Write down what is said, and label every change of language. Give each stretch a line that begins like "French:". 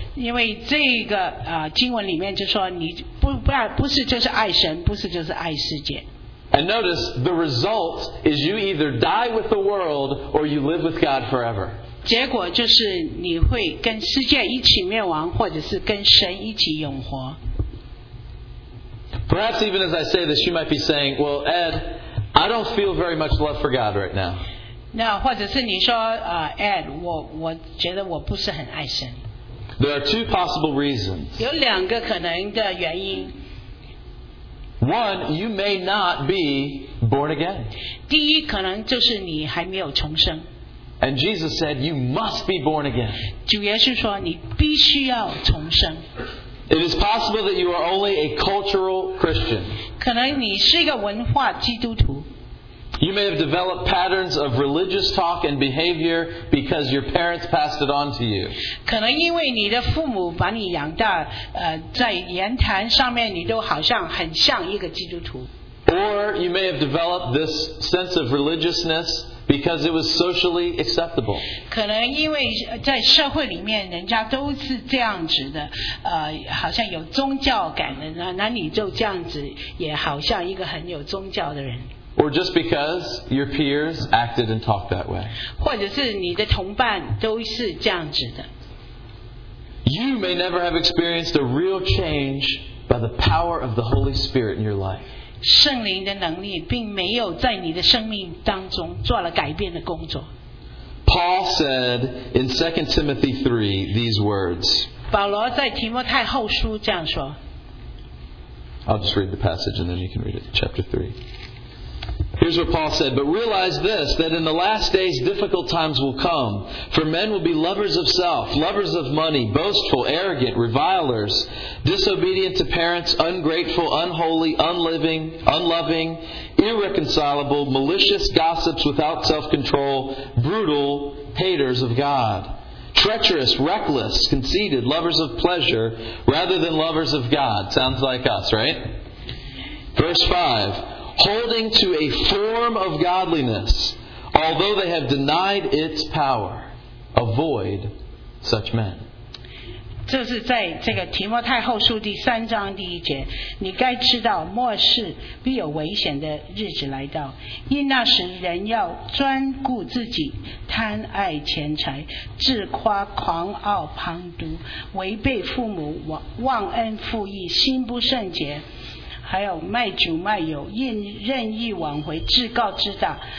Chinese: 因为这个经文里面就说你不是就是爱神，不是就是爱世界。
English: And notice the result is you either die with the world or you live with God forever.
Chinese: 结果就是你会跟世界一起灭亡，或者是跟神一起永活。
English: Perhaps even as I say this, you might be saying, well, Ed, I don't feel very much love for God right now.
Chinese: 那或者是你说Ed, 我觉得我不是很爱神。
English: There are two possible reasons.
Chinese: 有两个可能的原因。
English: One, you may not be born again.
Chinese: 第一可能就是你还没有重生。
English: And Jesus said, you must be born again.
Chinese: 主耶稣说你必须要重生。
English: It is possible that you are only a cultural Christian.
Chinese: 可能你是一个文化基督徒。
English: You may have developed patterns of religious talk and behavior because your parents passed it on to you.
Chinese: 可能因为你的父母把你养大，在言谈上面你都好像很像一个基督徒。
English: Or you may have developed this sense of religiousness because it was socially acceptable.
Chinese: 可能因为在社会里面人家都是这样子的，好像有宗教感的，那你就这样子也好像一个很有宗教的人。
English: Or just because your peers acted and talked that way.
Chinese: 或者是你的同伴都是这样子的。
English: You may never have experienced a real change by the power of the Holy Spirit in your life.
Chinese: 圣灵的能力并没有在你的生命当中做了改变的工作。
English: Paul said in 2 Timothy 3 these words.
Chinese: 保罗在提摩太后书这样说。
English: I'll just read the passage and then you can read it, chapter 3. Here's what Paul said, but realize this, that in the last days difficult times will come, for men will be lovers of self, lovers of money, boastful, arrogant, revilers, disobedient to parents, ungrateful, unholy, unloving, irreconcilable, malicious, gossips without self-control, brutal, haters of God, treacherous, reckless, conceited, lovers of pleasure, rather than lovers of God. Sounds like us, right? Verse 5. Holding to a form of godliness, although they have denied its power, avoid such men.
Chinese: 这是在这个提摩太后书第三章第一节，你该知道末世必有危险的日子来到，因那时人要专顾自己，贪爱钱财，自夸狂傲，旁毒，违背父母，忘恩负义，心不圣洁，还有卖主卖友，任意挽回，自高自大，